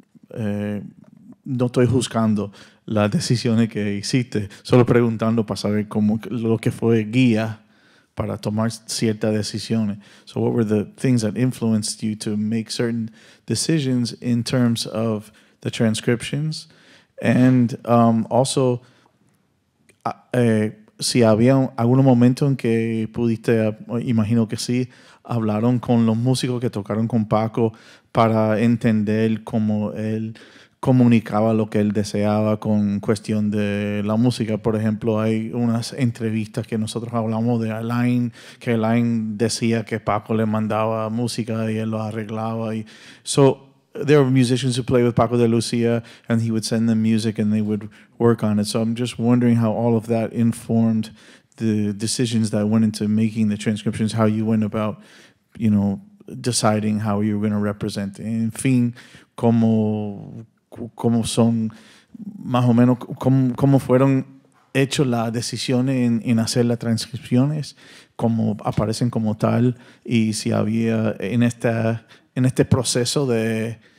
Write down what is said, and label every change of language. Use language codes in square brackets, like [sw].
[es] No estoy juzgando las decisiones que hiciste, solo preguntando para saber cómo lo que fue guía para tomar ciertas decisiones. [en] So what were the things that influenced you to make certain decisions in terms of the transcriptions? And also, [es] si había algún momento en que pudiste, imagino que sí, hablaron con los músicos que tocaron con Paco para entender cómo él comunicaba lo que él deseaba con cuestión de la música. Por ejemplo, hay unas entrevistas que nosotros hablamos de Alain, que Alain decía que Paco le mandaba música y él lo arreglaba. [en] Y so there are musicians who play with Paco de Lucía, and he would send them music and they would work on it. So I'm just wondering how all of that informed the decisions that went into making the transcriptions, how you went about, you know, deciding how you were going to represent. [es] En fin, cómo son, más o menos, cómo fueron hechas las decisiones en hacer las transcripciones, cómo aparecen como tal, y si había en este proceso de